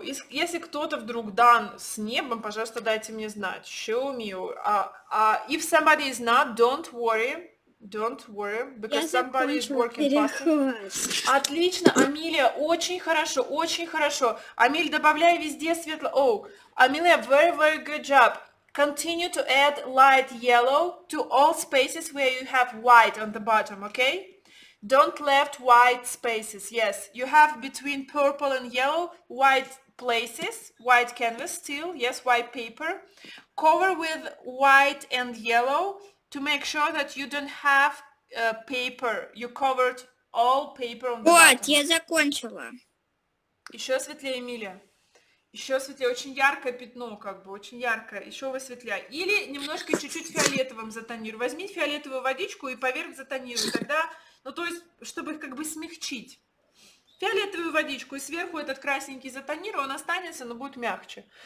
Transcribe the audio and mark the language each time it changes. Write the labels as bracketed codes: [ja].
[ru] Если кто-то вдруг [en] done [ru] с небом, пожалуйста, дайте мне знать. [en] Show me. If somebody is not, don't worry. Don't worry, because somebody is working faster. Отлично, Амилия, очень хорошо, Амиль, добавляй везде светло. Oh, Амилия, very, very good job. Continue to add light yellow to all spaces where you have white on the bottom. Okay? Don't left white spaces. Yes, you have between purple and yellow white places, white canvas still. Yes, white paper. Cover with white and yellow. To make sure that you don't have paper, you covered all paper on the bottom. [ru] Вот, я закончила. Еще светлее, Эмилия. Еще светлее, очень яркое пятно, как бы, очень яркое. Еще высветляй. Или немножко чуть-чуть фиолетовым затонируй. Возьми фиолетовую водичку и поверх затонируй. Тогда, ну то есть, чтобы их как бы смягчить. Фиолетовую водичку и сверху этот красненький затонируй, он останется, но будет мягче.